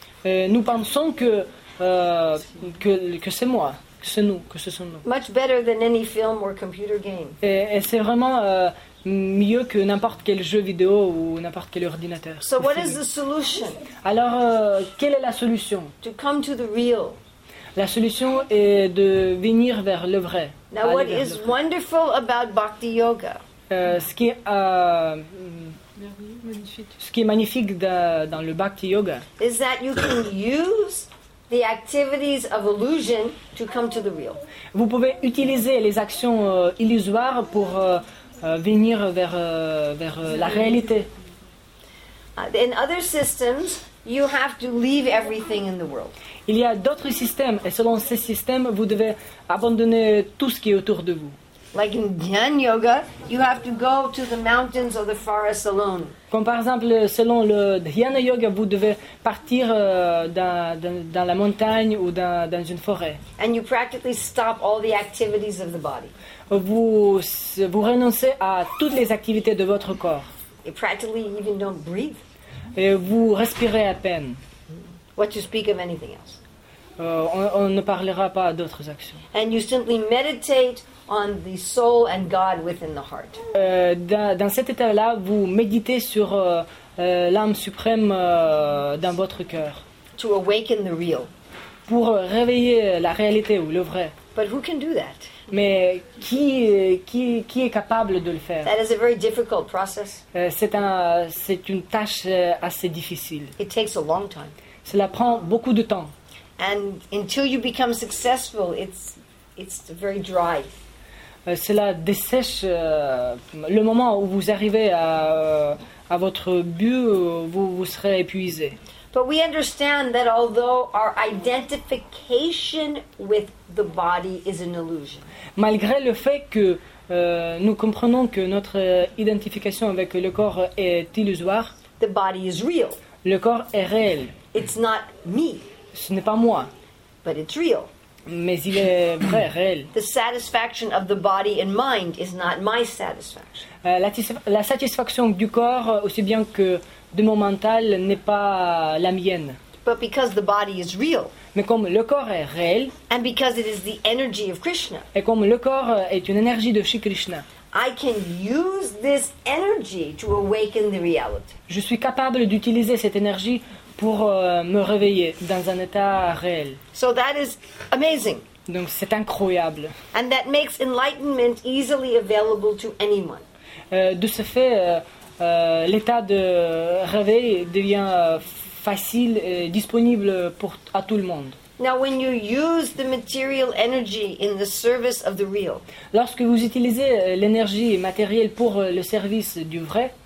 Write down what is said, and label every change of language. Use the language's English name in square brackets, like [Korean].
[French] Nous pensons que c'est moi, que c'est nous, que ce sont nous. [English] Much better than any film or computer game. [French] Et c'est vraiment mieux que n'importe quel jeu vidéo ou n'importe quel ordinateur. [English] So what is the solution? [French] Alors, quelle est la solution? [English] To come to the real. [French] La solution est de venir vers le vrai. [English] Now, what is wonderful about Bhakti Yoga? [French] Ce qui est magnifique dans le Bhakti Yoga [English] is that you can use the activities of illusion to come to the real. [French] Vous pouvez utiliser les actions illusoires pour venir vers la réalité. [English] In other systems, you have to leave everything in the world. [French] Il y a d'autres systèmes, et selon ces systèmes, vous devez abandonner tout ce qui est autour de vous. [English] Like in Dhyan Yoga, you have to go to the mountains or the forest alone. [French] Comme par exemple, selon le Dhyan Yoga, vous devez partir dans la montagne ou dans une forêt. [English] And you practically stop all the activities of the body. [French] Vous renoncez à toutes les activités de votre corps. [English] You practically even don't breathe. [French] Et vous respirez à peine. [English] What to speak of anything else? [French] On ne parlera pas d'autres actions. [English] And you simply meditate on the soul and God within the heart. [French] Dans cet état-là, vous méditez sur l'âme suprême dans votre cœur. [English] To awaken the real. [French] Pour réveiller la réalité ou le vrai. [English] But who can do that? [French] Mais qui est capable de le faire? [English] That is a very difficult process. [French] C'est une tâche assez difficile. [English] It takes a long time. [French] Cela prend beaucoup de temps. [English] And until you become successful, it's very dry. [French] Cela dessèche. Le moment où vous arrivez à votre but, vous serez épuisé. [English] But we understand that although our identification with the body is an illusion. [French] Malgré le fait que nous comprenons que notre identification avec le corps est illusoire. [English] The body is real. [French] Le corps est réel. [English] It's not me. [French] Ce n'est pas moi. [English] But it's real. [French] Mais il est vrai, réel. [English] The satisfaction of the body and mind is not my satisfaction. [French] La satisfaction du corps, aussi bien que de mon mental, n'est pas la mienne. [English] But because the body is real. [French] Mais comme le corps est réel. [English] And because it is the energy of Krishna. [French] Et comme le corps est une énergie de Shri Krishna. [English] I can use this energy to awaken the reality. [French] Je suis capable d'utiliser cette énergie pour me réveiller dans un état réel. [English] So that is amazing. [French] Donc c'est incroyable. [English] And that makes enlightenment easily available to anyone. [French] De ce fait, l'état de réveil devient facile et disponible à tout le monde. [English] Now, when you use the material energy in the service of the real, [French] lorsque vous utilisez l'énergie matérielle pour le service du vrai,